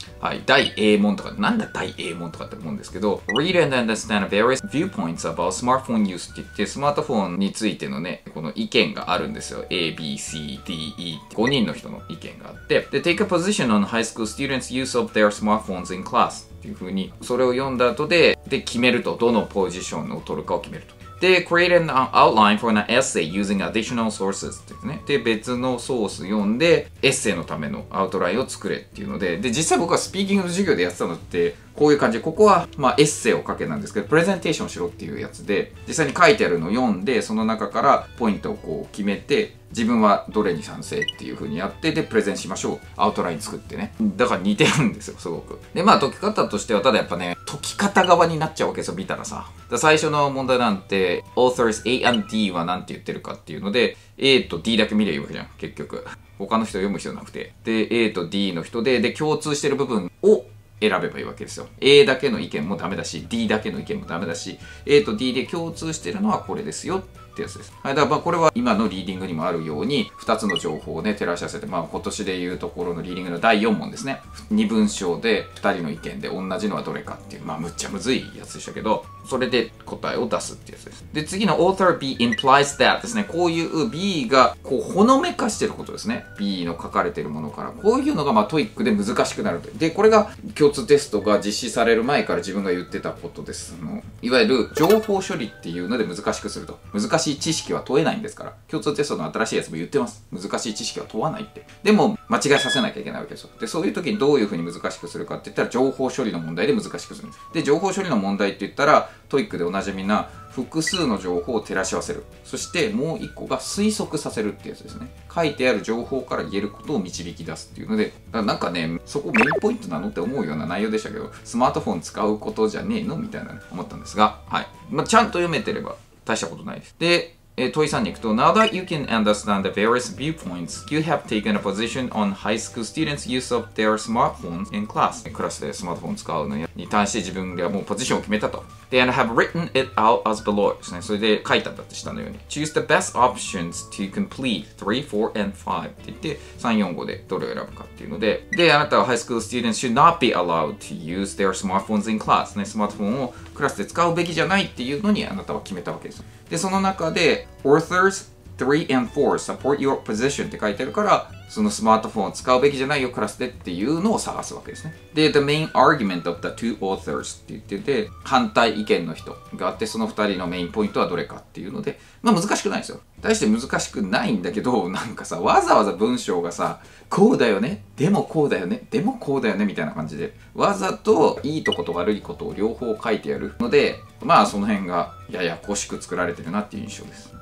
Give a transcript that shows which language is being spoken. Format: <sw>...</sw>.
<ja>はい、第 A 問とか、なんだ第 A 問とかって思うんですけど、</ja> <en>Read and understand various viewpoints about smartphone use</en> <ja>って言って、スマートフォンについてのね、この意見があるんですよ。 A, B, C, D, E 5人の人の意見があって、で</ja> <en>Take a position on high school students use of their smartphones in class</en> <ja>っていう風に、それを読んだ後で、で決めると、どのポジションを取るかを決めると。で、</ja> <en>create an outline for an essay using additional sources</en> <ja>って言ってね。で、別のソース読んで、エッセイのためのアウトラインを作れっていうので、で、実際僕はスピーキングの授業でやってたのって、こういう感じ。ここは、まあ、エッセイを書けなんですけど、プレゼンテーションしろっていうやつで、実際に書いてあるのを読んで、その中からポイントをこう決めて、自分はどれに賛成っていう風にやって、で、プレゼンしましょう。アウトライン作ってね。だから似てるんですよ、すごく。で、まあ、解き方としては、ただやっぱね、解き方側になっちゃうわけですよ、見たらさ。ら最初の問題なんて、</ja> <en>authors A and D</en> <ja>は何て言ってるかっていうので、A と D だけ見ればいいわけじゃん、結局。他の人読む必要なくて。で、A と D の人で、で、共通してる部分を、選べばいいわけですよ。 A だけの意見もダメだし、 D だけの意見もダメだし、 A と D で共通してるのはこれですよってやつです。はい、だからまあこれは今のリーディングにもあるように2つの情報をね照らし合わせて、まあ今年でいうところのリーディングの第4問ですね。 2文章で2人の意見で同じのはどれかっていう、まあむっちゃむずいやつでしたけど、それで答えを出すってやつです。で、次の</ja> <en>Author B implies that</en> <ja>ですね。こういう B がこうほのめかしてることですね。 B の書かれてるものから。こういうのがまあトイックで難しくなる。で、これが共通テストが実施される前から自分が言ってたことです。いわゆる情報処理っていうので難しくすると。難しい知識は問えないんですから。共通テストの新しいやつも言ってます。難しい知識は問わないって。でも、間違いさせなきゃいけないわけですよ。で、そういう時にどういうふうに難しくするかって言ったら、情報処理の問題で難しくするんです。で、情報処理の問題って言ったら、トイックでおなじみな複数の情報を照らし合わせる、そしてもう一個が推測させるってやつですね。書いてある情報から言えることを導き出すっていうので、なんかね、そこメインポイントなのって思うような内容でしたけど、スマートフォン使うことじゃねえのみたいな思ったんですが、はい、まあ、ちゃんと読めてれば大したことないです。で、問いさんに行くと、</ja> <en>Now that you can understand the various viewpoints, you have taken a position on high school students' use of their smartphones in class.</en> <ja>クラスでスマートフォン使うのに対して自分ではもうポジションを決めたと。</ja> <en>And have written it out as below.</en> <ja>ですね。それで書いたんだって下のように。</ja> <en>Choose the best options to complete 3, 4, and 5.</en> <ja>って言って、3、4、5でどれを選ぶかっていうので。で、あなたは</ja> <en>high school students should not be allowed to use their smartphones in class. ね。</en> <ja>スマートフォンをクラスで使うべきじゃないっていうのにあなたは決めたわけです。で、その中で、</ja> <en>Authors 3 and 4 support your position</en> <ja>って書いてあるから、そのスマートフォンを使うべきじゃないよ、クラスでっていうのを探すわけですね。で、</ja> <en>The main argument of the two authors</en> <ja>って言ってて、反対意見の人があって、その二人のメインポイントはどれかっていうので、まあ難しくないですよ。大して難しくないんだけど、なんかさ、わざわざ文章がさ、こうだよね、でもこうだよね、でもこうだよね、みたいな感じで、わざといいとこと悪いことを両方書いてやるので、まあその辺がややこしく作られてるなっていう印象です。</ja>